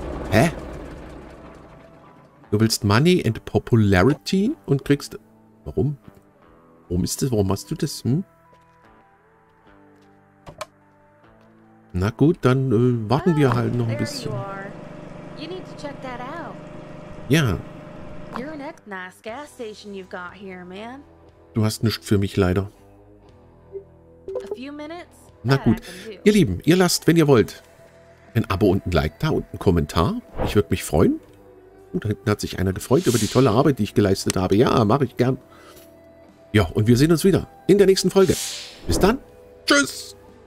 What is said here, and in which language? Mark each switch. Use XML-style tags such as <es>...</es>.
<de>Hä? Du willst</de> <en>Money and Popularity</en> <de>und kriegst. Warum? Warum ist das? Warum machst du das? Hm? Na gut, dann warten wir halt noch ein bisschen.</de> <en>You need to check that out. Ja. You're an nice gas station you've got here, man.</en> <de>Du hast nichts für mich, leider.</de> <en>A few minutes?</en> <de>Na gut. Ihr Lieben, ihr lasst, wenn ihr wollt, ein Abo und ein Like da und einen Kommentar. Ich würde mich freuen. Da hinten hat sich einer gefreut über die tolle Arbeit, die ich geleistet habe. Ja, mache ich gern. Ja, und wir sehen uns wieder in der nächsten Folge. Bis dann. Tschüss.</de>